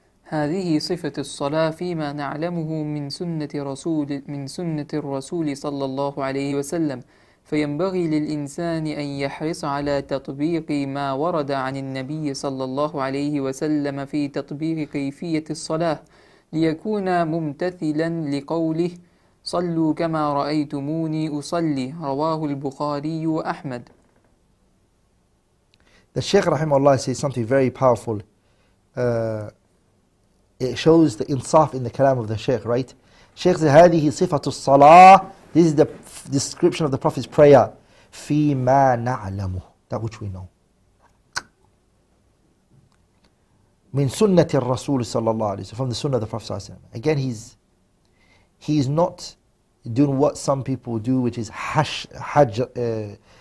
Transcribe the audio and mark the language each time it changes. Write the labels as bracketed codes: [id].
[ar] هذه صفة الصلاة فيما نعلمه من سنة الرسول صلى الله عليه وسلم فينبغي للإنسان أن يحرص على تطبيق ما ورد عن النبي صلى الله عليه وسلم في تطبيق كيفية الصلاة ليكون ممتثلا لقوله صلوا كما رأيتموني أصلي رواه البخاري وأحمد. [en] The Sheikh رحمه الله says something very powerful. It shows the insaf in the kalam of the Shaykh, right? Shaykh says, [ar] هذه صفة الصلاة. [en] This is the description of the Prophet's prayer. [ar] فيما نعلمه. [en] That which we know. [ar] من سنة الرسول صلى الله عليه وسلم. [en] From the sunnah of the Prophet [ar] صلى الله عليه وسلم. [en] Again, he's not doing what some people do, which is hajr.